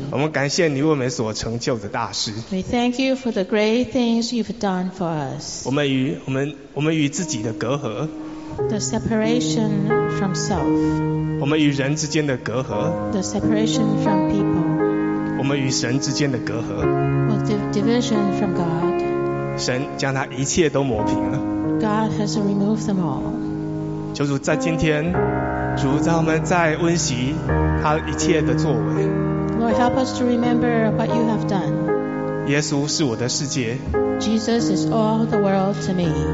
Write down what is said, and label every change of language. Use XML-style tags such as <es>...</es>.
<zh>我们感谢你为我们所成就的大事。</zh> <en>We thank you for the great things you've done for us.</en> <zh>我们与自己的隔阂。</zh> <en>The separation from self.</en> <zh>我们与人之间的隔阂。</zh> <en>The separation from people.</en> <zh>我们与神之间的隔阂。</zh> <en>With the division from God.</en> <zh>神将他一切都抹平了。</zh> <en>God has removed them all.</en> <zh>求主在今天。主让我们再温习他一切的作为。</zh> <en>Lord, help us to remember what you have done.</en> <zh>耶稣是我的世界。</zh> <en>Jesus is all the world to me.</en>